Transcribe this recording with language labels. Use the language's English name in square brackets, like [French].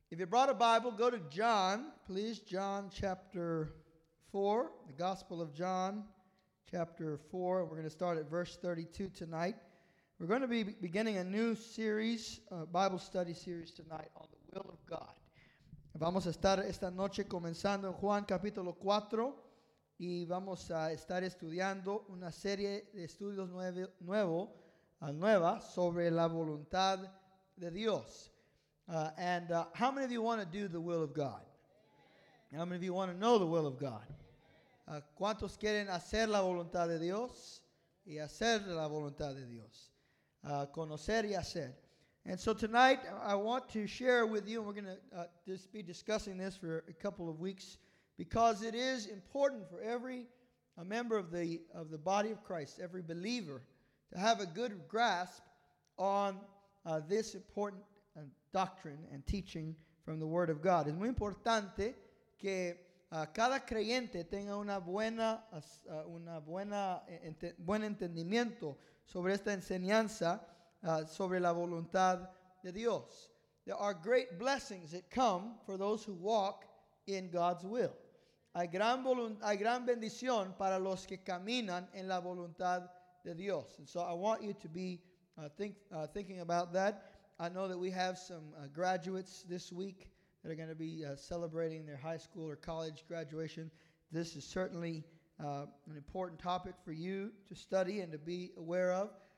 [English] If you brought a Bible, go to John. Please, John chapter 4, the Gospel of John chapter 4. We're going to start at verse 32 tonight. We're going to be beginning a new series, a Bible study series tonight on the will of God. [Spanish] Vamos a estar esta noche comenzando en Juan capítulo 4 y vamos a estar estudiando una serie de estudios nueva sobre la voluntad de Dios. [English] How many of you want to do the will of God? How many of you want to know the will of God? [Spanish] ¿Cuántos quieren hacer la voluntad de Dios y hacer la voluntad de Dios? Conocer y hacer. [English] And so tonight I want to share with you, and we're going to just be discussing this for a couple of weeks, because it is important for every a member of the body of Christ, every believer, to have a good grasp on this important doctrine and teaching from the Word of God. [Spanish] Es muy importante que cada creyente tenga buen entendimiento sobre esta enseñanza sobre la voluntad de Dios. [English] There are great blessings that come for those who walk in God's will. [Spanish] Hay gran bendición para los que caminan en la voluntad de Dios. [English] And so I want you to be thinking about that. I know that we have some graduates this week that are going to be celebrating their high school or college graduation. This is certainly an important topic for you to study and to be aware of.